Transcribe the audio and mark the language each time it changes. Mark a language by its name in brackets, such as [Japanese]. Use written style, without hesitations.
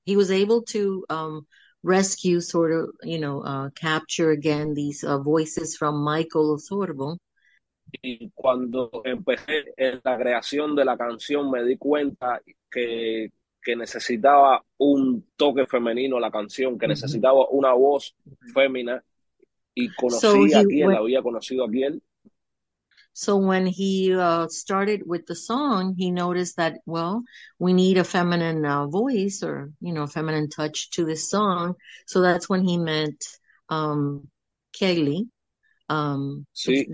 [English] he was able to rescue, sort of, you know, capture again these voices from Michael Osorbo. [Spanish] Y cuando empecé en la creación de la canción, me di cuenta que necesitaba un toque femenino a la canción, que necesitaba una voz fémina, y [English] So [Spanish] conocí a [English] he [Spanish] quién, [English] when, [Spanish] había conocido a quién. [English] so when he started with the song, he noticed that, well, we need a feminine voice, or, you know, feminine touch to this song. So that's when he met Kaylee. [Spanish] Sí.